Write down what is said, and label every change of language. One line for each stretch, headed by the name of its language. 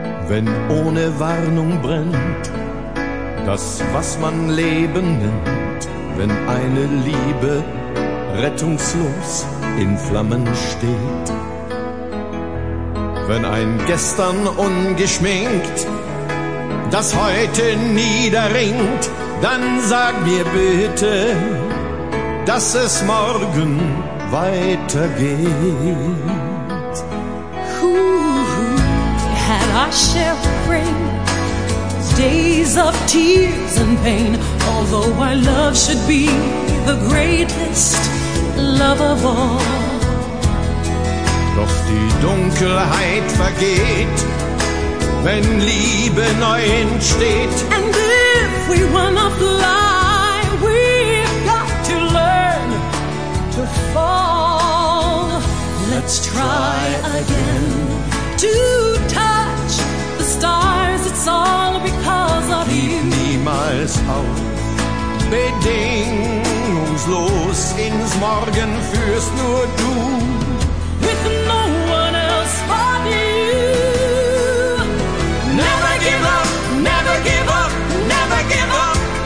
German: Wenn ohne Warnung brennt, das, was man Leben nennt, wenn eine Liebe rettungslos in Flammen steht, wenn ein Gestern ungeschminkt das Heute niederringt, dann sag mir bitte, dass es morgen weitergeht.
English: Had our share of rain, days of tears and pain. Although our love should be the greatest love of all.
German: Doch die Dunkelheit vergeht, wenn Liebe neu entsteht.
English: And if we wanna fly, we've got to learn to fall. Let's try again to stars, it's all because of
German: Gib
English: you.
German: Gib niemals auf, bedingungslos, ins Morgen führst nur du.
English: With no one else but you. Never give up, never give up, never give up.